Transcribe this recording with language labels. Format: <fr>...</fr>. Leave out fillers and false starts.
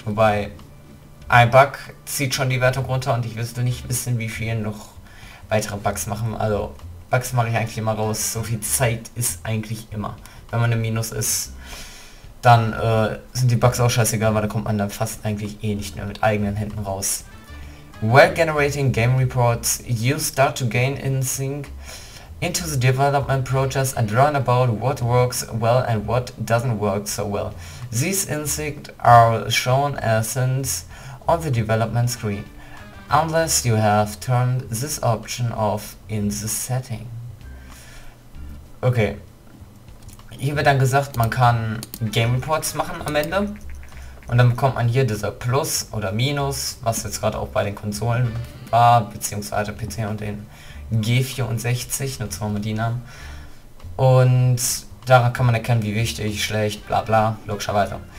<de>Wobei ein Bug zieht schon die Wertung runter und ich wüsste nicht wissen, wie viel noch weitere Bugs machen. Also Bugs mache ich eigentlich immer raus. So viel Zeit ist eigentlich immer. Wenn man im Minus ist, dann sind die Bugs auch scheißegal, weil da kommt man dann fast eigentlich eh nicht mehr mit eigenen Händen raus.</de> <en>While generating game reports, you start to gain insight into the development process and learn about what works well and what doesn't work so well. These insights are shown as hints on the development screen, unless you have turned this option off in the setting. Okay.</en> <de>Hier wird dann gesagt, man kann Game Reports machen am Ende. Und dann bekommt man hier dieser Plus oder Minus, was jetzt gerade auch bei den Konsolen war, beziehungsweise PC und den G64, nutzen wir mal die Namen. Und daran kann man erkennen, wie wichtig, schlecht, bla bla, logischerweise.</de>